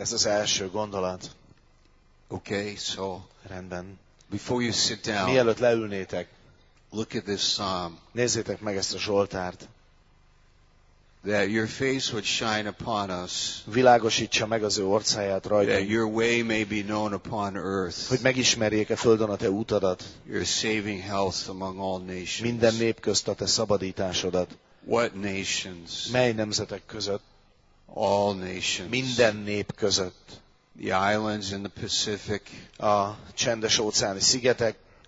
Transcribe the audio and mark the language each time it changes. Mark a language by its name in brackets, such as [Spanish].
[Hungarian] Ez az első gondolat. [English] Okay, so [Hungarian] rendben. [English] Before you sit down, [Hungarian] mielőtt leülnétek, [English] look at this psalm. [Hungarian] Nézzétek meg ezt a zsoltárt. [English] That your face would shine upon us. [Hungarian] Világosítsa meg az ő orcáját rajtunk. [English] That your way may be known upon earth. [Hungarian] Hogy megismerjék a földön a te utadat. [English] Your saving health among all nations. [Hungarian] Minden nép közt a te szabadításodat. [English] What nations? [Hungarian] Mely nemzetek között? [English] All nations. [Hungarian] Minden nép között. [English] The islands in the Pacific, [Hungarian] a csendes-óceáni szigetek,